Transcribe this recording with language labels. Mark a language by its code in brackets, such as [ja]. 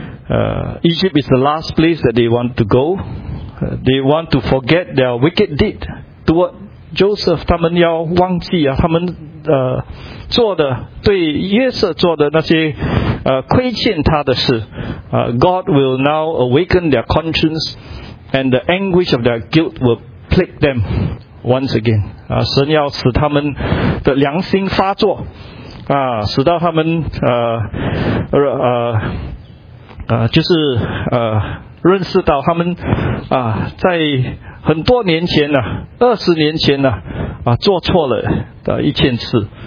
[en] Egypt is the last place that they want to go. They want to forget their wicked deed toward Joseph. [zh] 他们要忘记啊，他们做的对约瑟做的那些亏欠他的事。 [en] God will now awaken their conscience, and the anguish of their guilt will plague them once again. [zh] 神要使他们的良心发作啊，使到他们就是认识到他们啊，在很多年前呢，20年前呢，啊，做错了的1000次，